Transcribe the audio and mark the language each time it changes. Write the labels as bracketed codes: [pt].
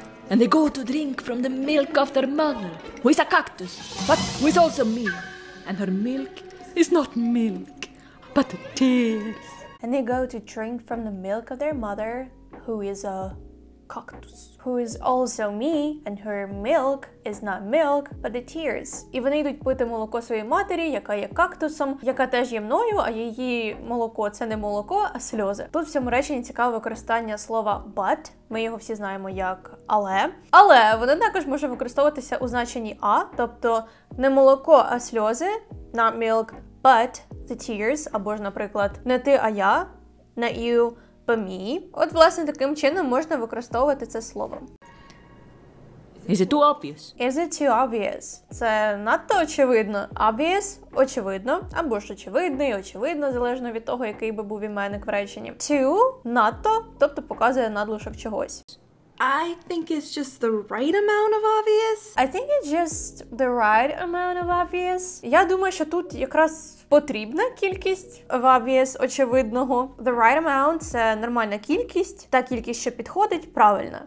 [en] And they go to drink from the milk of their mother, who is a cactus, but who is also me. And her milk is not milk, but tears. And they go to drink from the milk of their mother, who is a cactus, who is also me, and her milk is not milk, but the tears. [uk] І вони йдуть пити молоко своєї матері, яка є кактусом, яка теж є мною, а її молоко – це не молоко, а сльози. Тут в цьому реченні цікаве використання слова but. Ми його всі знаємо як але. Але воно також може використовуватися у значенні а, тобто не молоко, а сльози, [en] not milk, but the tears, [uk] або ж, наприклад, не ти, а я, [en] not you, but me. [uk] От, власне, таким чином можна використовувати це слово. [en] Is it too obvious? Is it too obvious? [uk] Це надто очевидно. Obvious – очевидно, або ж очевидний, очевидно, залежно від того, який би був іменник в реченні. Too – надто, тобто показує надлишок чогось. [en] I think it's just the right amount of obvious. I think it's just the right amount of obvious. [uk] Я думаю, що тут якраз потрібна кількість obvious, очевидного. The right amount – це нормальна кількість. Та кількість, що підходить, правильна.